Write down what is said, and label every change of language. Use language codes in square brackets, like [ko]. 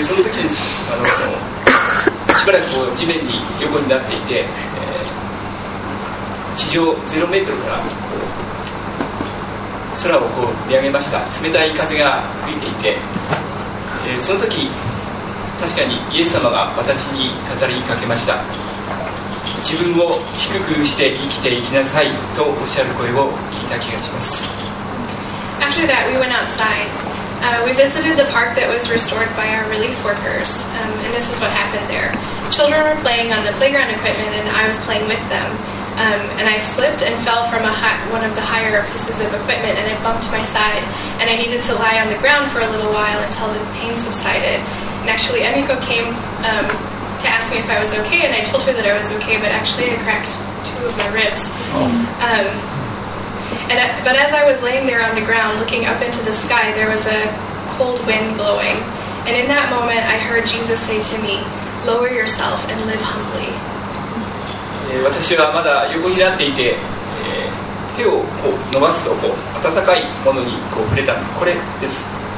[ja] でその時です、しばらくこう地面に横になっていて、地上0メートルからこう空をこう見上げました。冷たい風が吹いていて、その時確かにイエス様が私に語りかけました。自分を低くして生きていきなさいとおっしゃる声を聞いた気がします。 [en] After that we went outside. We visited the park that was restored by our relief workers. And this is what happened there. Children were playing on the playground equipment and I was playing with them. And I slipped and fell from one of the higher pieces of equipment and I bumped my side and I needed to lie on the ground for a little while until the pain subsided. And actually Emiko came to ask me if I was okay and I told her that I was okay, but actually I cracked two of my ribs. But as I was laying there on the ground looking up into the sky, there was a cold wind blowing. And in that moment I heard Jesus say to me, lower yourself and live humbly. [ja] 私はまだ横になっていて、手をこう伸ばすとこう温かいものにこう触れた、これです。